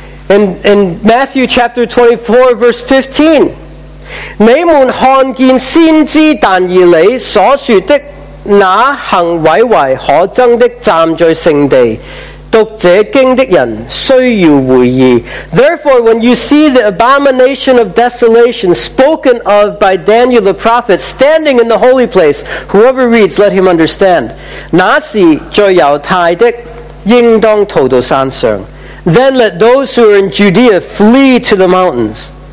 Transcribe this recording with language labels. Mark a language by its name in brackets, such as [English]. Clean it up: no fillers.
[English] In Matthew chapter 24:15, Therefore, when you see the abomination of desolation spoken of by Daniel the prophet standing in the holy place, whoever reads, let him understand. [Chinese] 那是最猶太的，应当逃到山上。 [English] Then let those who are in Judea flee to the mountains.